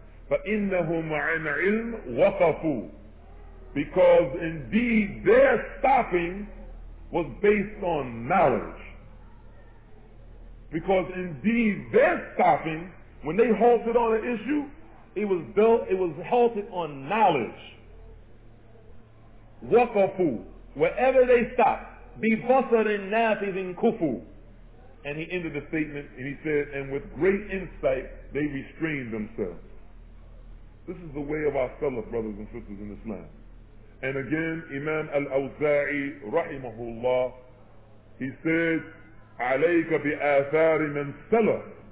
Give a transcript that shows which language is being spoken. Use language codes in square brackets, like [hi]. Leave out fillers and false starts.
[ar] فَإِنَّهُمْ عَنْ عِلْمِ وَقَفُوا, [en] because indeed their stopping was based on knowledge. Because indeed their stopping, when they halted on an issue, it was halted on knowledge. [ar] وَقَفُوا, [en] wherever they stop, [ar] بِفَصَرٍ نَافِذٍ كُفُوا. [en] And he ended the statement and he said, and with great insight they restrained themselves. This is the way of our fellow brothers and sisters in Islam. And again, Imam Al-Awza'i rahimahullah, he said, [ar] عَلَيْكَ بِآثَارِ مَنْ سَلَفْ.